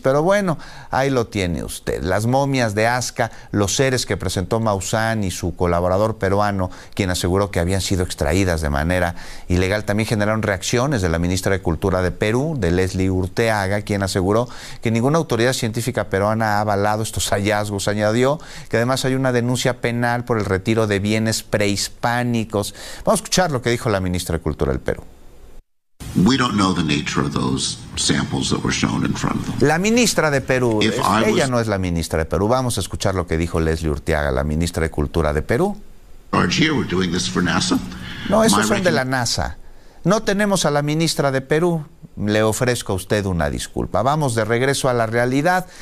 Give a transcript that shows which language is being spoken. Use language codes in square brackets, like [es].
[es] Pero bueno, ahí lo tiene usted. Las momias de Azca, los seres que presentó Maussan y su colaborador peruano, quien aseguró que habían sido extraídas de manera ilegal, también generaron reacciones de la ministra de Cultura de Perú, de Leslie Urteaga, quien aseguró que ninguna autoridad científica peruana ha avalado estos hallazgos. Añadió que además hay una denuncia penal por el retiro de bienes prehispánicos. Vamos a escuchar lo que dijo la ministra de Cultura del Perú. [en] We don't know the nature of those samples that were shown in front of them. [es] La ministra de Perú, ella no es la ministra de Perú. Vamos a escuchar lo que dijo Leslie Urteaga, la ministra de Cultura de Perú. [en] We're doing this for NASA. [es] No, esos son de la NASA. No tenemos a la ministra de Perú. Le ofrezco a usted una disculpa. Vamos de regreso a la realidad.